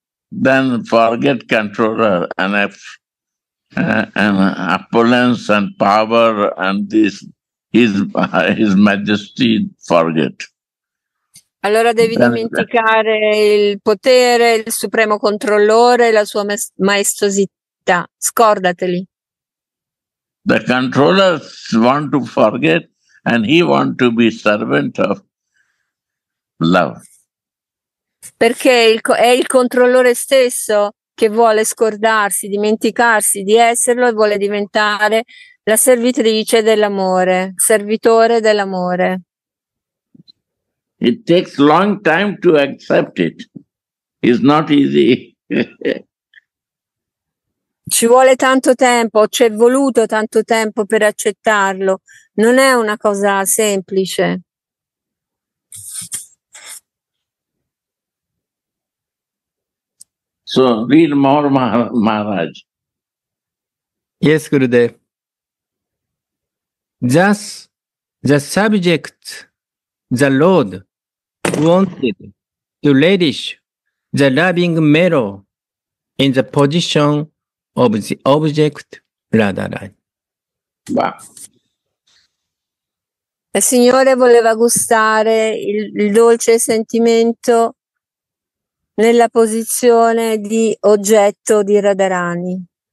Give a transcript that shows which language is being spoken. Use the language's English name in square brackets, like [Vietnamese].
[English] Then forget controller and opulence and power and this, his majesty, forget. [Italian] Allora devi dimenticare il potere, il supremo controllore, la sua maestosità. Scordateli. [English] The controllers want to forget and he want to be servant of love. [Italian] Perché è il controllore stesso che vuole scordarsi, dimenticarsi di esserlo e vuole diventare la servitrice dell'amore, servitore dell'amore. [English] It takes long time to accept it. It's not easy. [Italian] Ci vuole tanto tempo, ci è voluto tanto tempo per accettarlo. Non è una cosa semplice. [English] So, read more Maharaj. Yes, Gurudev. Just the subject, the Lord wanted to relish the loving mellow in the position of the object Radharani. Wow. [Italian] Il Signore voleva gustare il dolce sentimento nella posizione di oggetto di Radharani.